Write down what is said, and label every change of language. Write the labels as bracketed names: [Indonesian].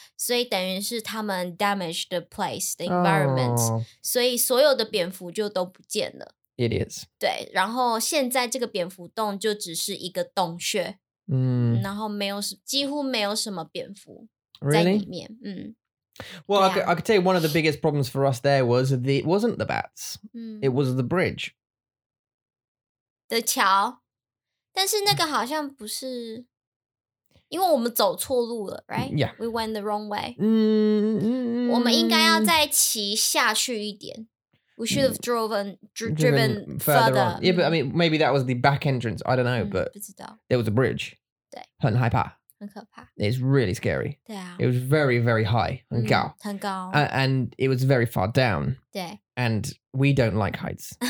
[Chinese] 所以等于是他们 [English] damaged the place, the environment. [Chinese] 所以所有的蝙蝠就都不见了。 [English] It is. [Chinese] 对然后现在这个蝙蝠洞就只是一个洞穴。然后没有几乎没有什么蝙蝠在里面。 [English] Really? Well,、I could tell you one of the biggest problems for us there was it wasn't the bats. It was the bridge. [Chinese] The 桥。但是那个好像不是因为我们走错路了 right? [English] Yeah. We went the wrong way. [Chinese] 我们应该要再骑下去一点。 [English] We should have driven further. Yeah, but I mean, maybe that was the back entrance. I don't know, but [Chinese] 不知道 [English] there was a bridge. [Chinese] 对。很害怕。很可怕。 [English] It's really scary. [Chinese] 对啊。 [English] It was very, very high. [Chinese] 很高。很高。 [English] And it was very far down. [Chinese] 对。 [English] And we don't like heights.